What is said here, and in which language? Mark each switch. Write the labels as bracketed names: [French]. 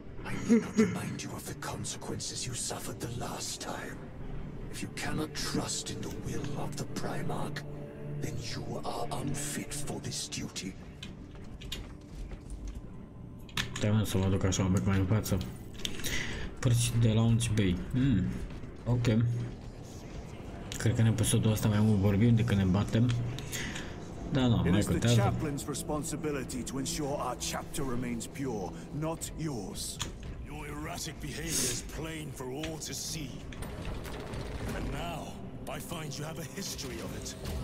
[English] I need not remind you of the consequences you suffered the last time. If you cannot trust in the will of the Primarch, then you are unfit for this duty. [Romanian] Trebuie să mă duc așa un pic mai în față. Părci de Launch Bay. Ok. Cred că în episodul ăsta mai mult vorbim decât ne batem. Da, nu, mai contează. [English] It is the chaplain's responsibility to ensure our chapter remains pure, not yours. Your erratic behavior is plain for all to see. And now, I find you have a history of it.